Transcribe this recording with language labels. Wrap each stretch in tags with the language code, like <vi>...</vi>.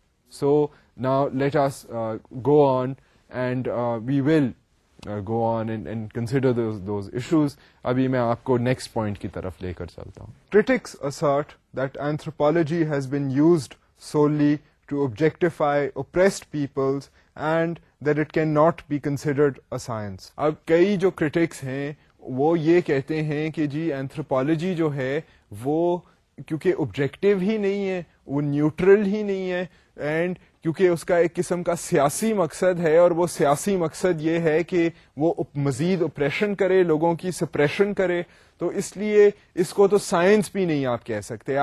<en>So now let us go on and we will go on and consider those issues.</en> <ur>ابھی میں آپ کو next point کی طرف لے کر چلتا ہوں.</ur> <en>Critics assert that anthropology has been used solely to objectify oppressed peoples and that it cannot be considered a science.</en> <ur>اب کئی جو critics ہیں وہ یہ کہتے ہیں کہ جی anthropology جو ہے وہ کیونکہ objective ہی نہیں ہے, وہ neutral ہی نہیں ہے, and کیونکہ اس کا ایک قسم کا سیاسی مقصد ہے, اور وہ سیاسی مقصد یہ ہے کہ وہ مزید oppression کرے, لوگوں کی suppression کرے, تو اس لیے اس کو تو science بھی نہیں آپ کہہ سکتے.</ur>